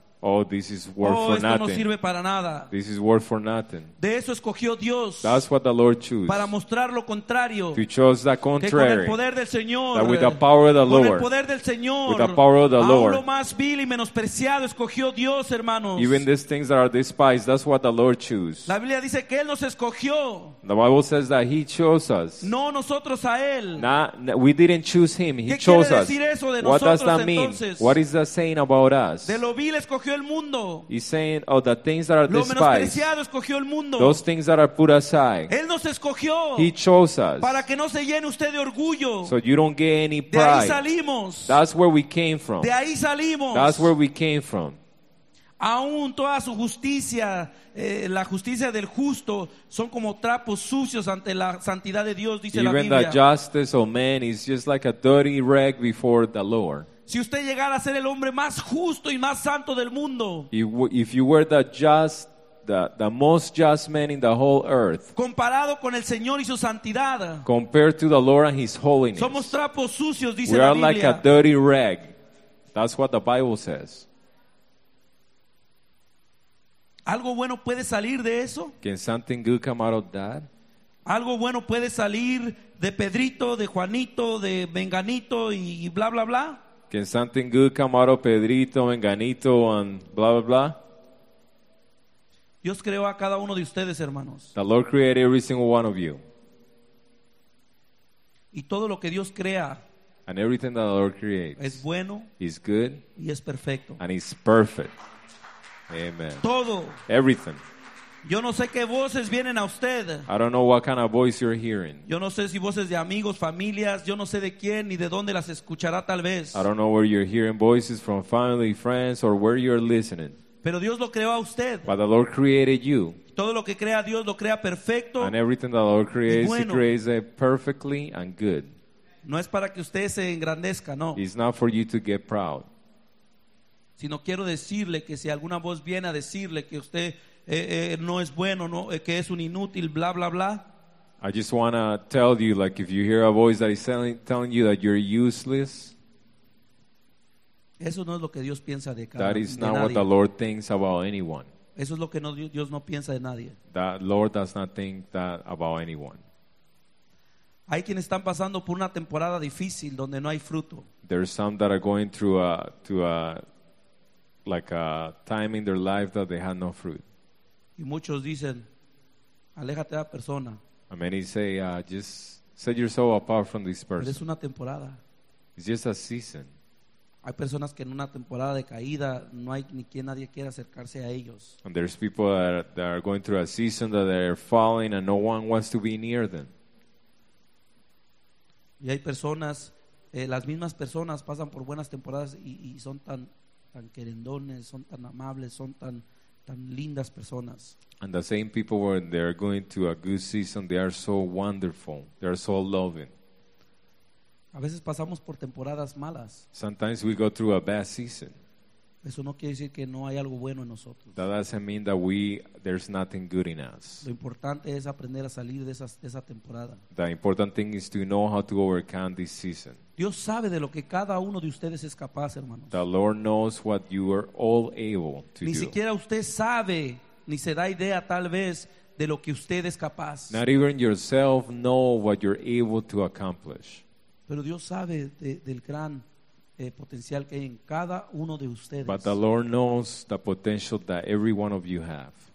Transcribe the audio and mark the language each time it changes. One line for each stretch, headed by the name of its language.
English: Oh, this is worth for nothing.
Spanish: Esto no sirve para nada.
English: This is worth for nothing.
Spanish: De eso escogió Dios.
English: That's what the Lord chose.
Spanish: Para mostrar lo contrario.
English: To choose the contrary.
Spanish: Que con el poder del Señor.
English: That with the power of the
Spanish: con
English: Lord.
Spanish: El poder del Señor,
English: with the power of the Lord.
Spanish: Aún lo más vil y menospreciado escogió Dios, hermanos.
English: Even these things that are despised, that's what the Lord chose.
Spanish: La Biblia dice que Él nos escogió.
English: The Bible says that He chose us.
Spanish: No nosotros a Él.
English: Nah, we didn't choose Him. He
Spanish: ¿Qué
English: chose
Spanish: quiere decir
English: us.
Spanish: Eso de
English: what
Spanish: nosotros,
English: does that mean? What is that saying about us?
Spanish: De lo vil escogió el mundo.
English: He's saying, oh, the things that are despised,
Spanish: el mundo.
English: Those things that are put aside,
Spanish: Él nos escogió.
English: He chose us.
Spanish: Para que no se llene usted de orgullo.
English: So you don't get any pride.
Spanish: De ahí salimos.
English: That's where we came from.
Spanish: De ahí salimos.
English: That's where we came from.
Spanish: Aún toda su justicia, la justicia del justo, son como trapos sucios ante la santidad de Dios, dice
English: Even
Spanish: la Biblia.
English: Even the justice of man is just like a dirty rag before the Lord.
Spanish: Si usted llegara a ser el hombre más justo y más santo del mundo,
English: if you were the most just man in the whole earth,
Spanish: comparado con el Señor y su santidad,
English: compared to the Lord and His holiness,
Spanish: somos trapos sucios, dice la Biblia.
English: We are like a dirty rag. That's what the Bible says.
Spanish: ¿Algo bueno puede salir de eso?
English: Can something good come out of that?
Spanish: ¿Algo bueno puede salir de Pedrito, de Juanito, de Menganito y bla bla bla?
English: Can something good come out of Pedrito, Menganito, and blah, blah, blah?
Spanish: Dios creó a cada uno de ustedes, hermanos.
English: The Lord created every single one of you.
Spanish: Y todo lo que Dios crea,
English: and everything that the Lord creates,
Spanish: es bueno,
English: is good,
Spanish: y es perfecto.
English: And it's perfect. Amen.
Spanish: Todo.
English: Everything.
Spanish: Yo no sé qué voces vienen a usted.
English: I don't know what kind of voice you're hearing.
Spanish: Yo no sé si voces de amigos, familias, yo no sé de quién ni de dónde las escuchará tal vez.
English: I don't know where you're hearing voices from family, friends, or where you're listening.
Spanish: Pero Dios lo creó a usted.
English: But the Lord created you.
Spanish: Todo lo que crea Dios lo crea perfecto.
English: And everything that the Lord creates,
Spanish: bueno.
English: He creates it perfectly and good.
Spanish: No es para que usted se engrandezca, no.
English: It's not for you to get proud.
Spanish: Sino quiero decirle que si alguna voz viene a decirle que usted no es bueno, no, que es un inútil, bla, bla, bla.
English: I just want to tell you, like, if you hear a voice that is telling you that you're useless,
Spanish: eso no es lo que Dios piensa de cada,
English: that is
Spanish: de
English: not
Spanish: nadie.
English: What the Lord thinks about anyone.
Spanish: Eso es lo que no, Dios no piensa de nadie.
English: That Lord does not think that about anyone.
Spanish: Hay quienes están pasando por una temporada difícil donde no hay fruto.
English: There are some that are going through a time in their life that they had no fruit.
Spanish: Y muchos dicen, aléjate de la persona.
English: And many say, just set yourself apart from this person.
Spanish: Pero es una temporada.
English: It's just a season.
Spanish: Hay personas que en una temporada de caída no hay ni quien nadie quiera acercarse a ellos.
English: And there's people that are going through a season that they're falling and no one wants to be near them.
Spanish: Y hay personas, las mismas personas pasan por buenas temporadas y son tan querendones, son tan amables, son tan lindas personas.
English: And the same people when they're going to a good season, they are so wonderful. They are so loving.
Spanish: A veces pasamos por temporadas malas.
English: Sometimes we go through a bad season.
Spanish: Eso no quiere decir que no hay algo bueno en nosotros.
English: That doesn't mean that there's nothing good in us.
Spanish: Lo importante es aprender a salir de esa temporada.
English: The important thing is to know how to overcome this season.
Spanish: Dios sabe de lo que cada uno de ustedes es capaz, hermanos.
English: The Lord knows what you are all able to do.
Spanish: Ni siquiera usted sabe, ni se da idea tal vez, de lo que usted es capaz.
English: Not even yourself know what you're able to accomplish.
Spanish: Pero Dios sabe del gran potencial que hay en cada uno de ustedes.
English: But the Lord knows the potential that every one of you have.